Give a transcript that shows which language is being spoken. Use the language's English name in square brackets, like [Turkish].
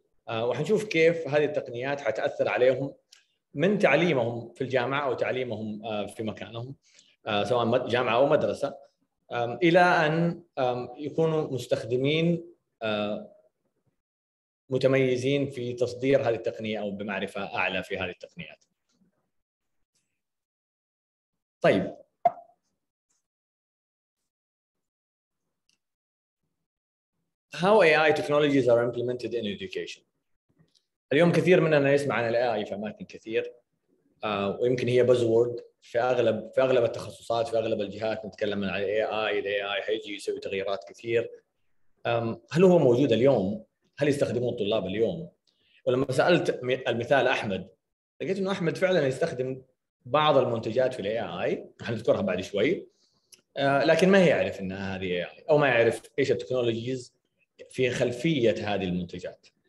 [Arabic] وحنشوف كيف هذه التقنيات حتأثر عليهم من تعليمهم في الجامعة أو تعليمهم في مكانهم سواء جامعة أو مدرسة، إلى أن يكونوا مستخدمين متميزين في تصدير هذه التقنية أو بمعرفة أعلى في هذه التقنيات. طيب، [English] How AI technologies are implemented in education. [Arabic] اليوم كثير مننا يسمع عن الـ AI في أماكن كثير، ويمكن هي buzzword في أغلب التخصصات، في أغلب الجهات نتكلم عن الـ AI. الـ AI هيجي يسوي تغييرات كثير. هل هو موجود اليوم؟ هل يستخدمون الطلاب اليوم؟ ولما سألت المثال أحمد، لقيت إنه أحمد فعلاً يستخدم بعض المنتجات في الـ AI، حنذكرها بعد شوي، لكن ما يعرف إنها هذه AI، أو ما يعرف إيش التكنولوجيز في خلفية هذه المنتجات.